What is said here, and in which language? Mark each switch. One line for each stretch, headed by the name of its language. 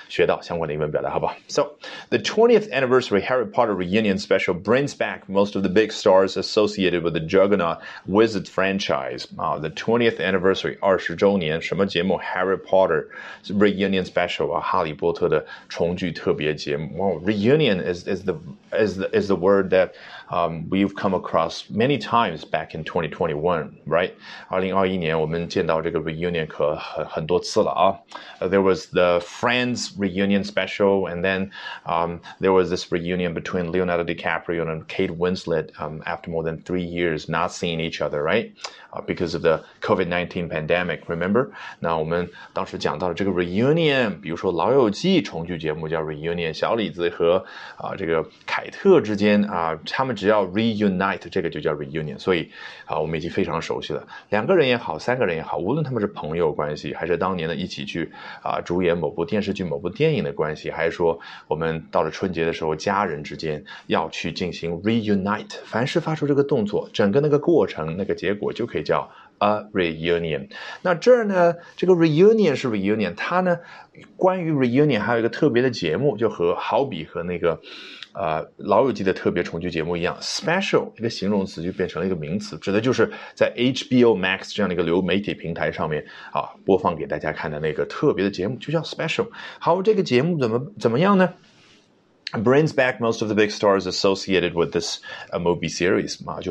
Chinese: 那么说到今日美国，它名字挺唬人的，你会觉得好像是跟这个《纽约时报》一样的一个大报，比较正儿八经的一个报纸。但实际上它是一个八卦小报。那你翻开来会发现很多的都是明星八卦啦、体育啊等等。那我们就一边八卦一边聊到，学到相关的英文表达，好不好？
English: So, the 20th anniversary Harry Potter reunion special brings back most of the big stars associated with the Juggernaut Wizard franchise. The 20th anniversary,
Chinese: 20周年, 什么节目?
English: Harry Potter reunion special,
Chinese: 哈利波特的重聚特别节目.
English: Wow, reunion is the word that we've come across many times back in 2021, right?
Chinese: 2021年我们见到这个 reunion 可很多次了啊.
English: There was the Friends reunion special, and then there was this reunion between Leonardo DiCaprio and Kate Winslet after more than 3 years not seeing each other, right? Because of the COVID-19 pandemic, remember?
Chinese: 那我们当时讲到了这个 reunion, 比如说老友记重聚节目叫 reunion, 小李子和这个凯特之间他们只要 reunite 这个就叫 reunion, 所以我们已经非常熟悉了。两个人也好，三个人也好，无论他们是朋友关系，还是当年的一起去主演某部电视剧、某部电影的关系，还是说我们到了春节的时候，家人之间要去进行 reunite, 凡是发出这个动作，整个那个过程，那个结果就可以叫 A reunion. 那这儿呢，这个 reunion 是 reunion， 它呢，关于 reunion 还有一个特别的节目，就和好比和那个老友记的特别重聚节目一样 ，special 一个形容词就变成了一个名词，指的就是在 HBO Max 这样的一个流媒体平台上面播放给大家看的那个特别的节目，就叫 special。好，这个节目怎么样呢？
English: Brings back most of the big stars associated with this movie series.